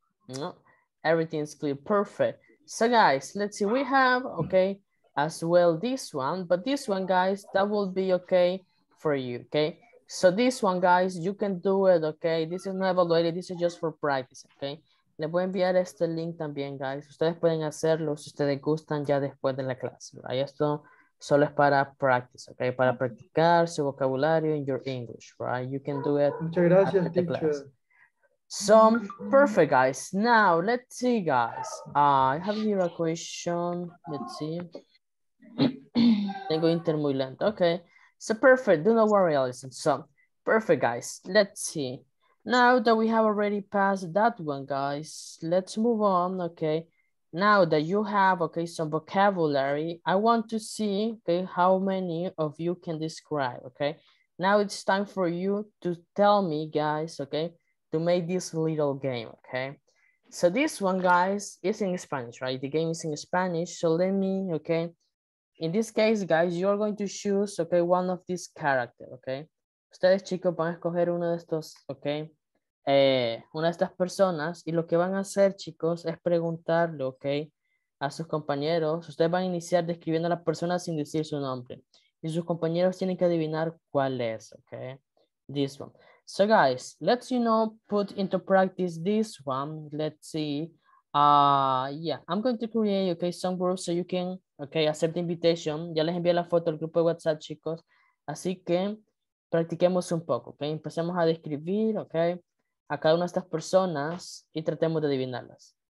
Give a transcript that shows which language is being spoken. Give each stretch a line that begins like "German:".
English: No, everything's clear, perfect. So guys, let's see, we have, okay, as well this one, but this one, guys, that will be okay for you, okay? So this one, guys, you can do it, okay? This is not evaluated, this is just for practice, okay?
Spanish: Le voy a enviar este link también, guys. Ustedes pueden hacerlo si ustedes gustan ya después de la clase, right? Esto solo es para practice, okay? Para practicar su vocabulario
English: in your English, right? You can do it.
Spanish: Muchas gracias,
English: after the teacher. Class. So perfect, guys. Now let's see, guys. I have here a question. Let's see.
Spanish: Tengo inter muy lento.
English: Okay. So perfect. Do not worry, Alison. So perfect, guys. Let's see. Now that we have already passed that one, guys, let's move on. Okay. Now that you have some vocabulary, I want to see how many of you can describe. Okay. Now it's time for you to tell me, guys, okay, to make this little game, okay? So this one, guys, is in Spanish, right? The game is in Spanish, so let me, okay? In this case, guys, you're going to choose, okay, one of these characters, okay?
Spanish: Ustedes, chicos, van a escoger uno de estos, okay? Una de estas personas, y lo que van a hacer, chicos, es preguntarle, okay, a sus compañeros. Ustedes van a iniciar describiendo a la persona sin decir su nombre. Y sus compañeros tienen que adivinar cuál es, okay?
English: This one. So guys, let's, you know, put into practice this one. Let's see. I'm going to create, okay, some groups so you can, okay, accept the invitation.
Spanish: Ya les envié la foto al grupo de WhatsApp, chicos. Así que practiquemos un poco, okay? Empecemos a describir, okay, a cada una de estas personas y tratemos de adivinarlas.